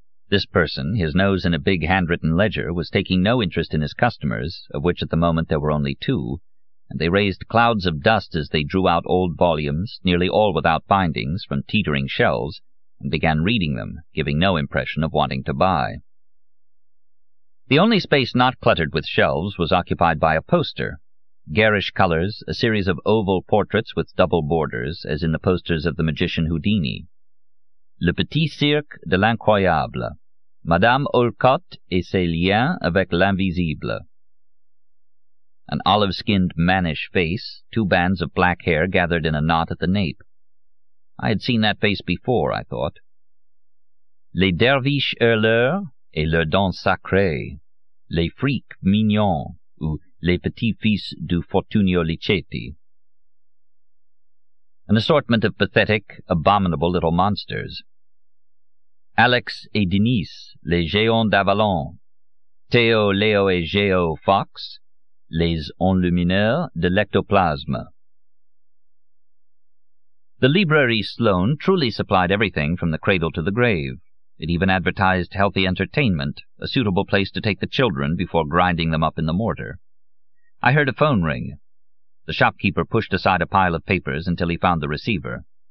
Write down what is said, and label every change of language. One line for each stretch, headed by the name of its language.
English: This person, his nose in a big handwritten ledger, was taking no interest in his customers, of which at the moment there were only two, and they raised clouds of dust as they drew out old volumes, nearly all without bindings, from teetering shelves, and began reading them, giving no impression of wanting to buy. The only space not cluttered with shelves was occupied by a poster. Garish colors, a series of oval portraits with double borders, as in the posters of the magician Houdini.
French: Le Petit Cirque de l'Incroyable. Madame Olcott et ses liens avec l'invisible.
English: An olive-skinned, mannish face, two bands of black hair gathered in a knot at the nape. I had seen that face before, I thought.
French: Les derviches hurleurs et leurs dents sacrées. Les freaks mignons, ou les petits fils du Fortunio Licetti.
English: An assortment of pathetic, abominable little monsters.
French: Alex et Denise, les géants d'Avalon. Théo, Léo et Géo Fox, les enlumineurs de l'ectoplasme.
English: The library Sloane truly supplied everything from the cradle to the grave. It even advertised healthy entertainment, a suitable place to take the children before grinding them up in the mortar. I heard a phone ring. The shopkeeper pushed aside a pile of papers until he found the receiver.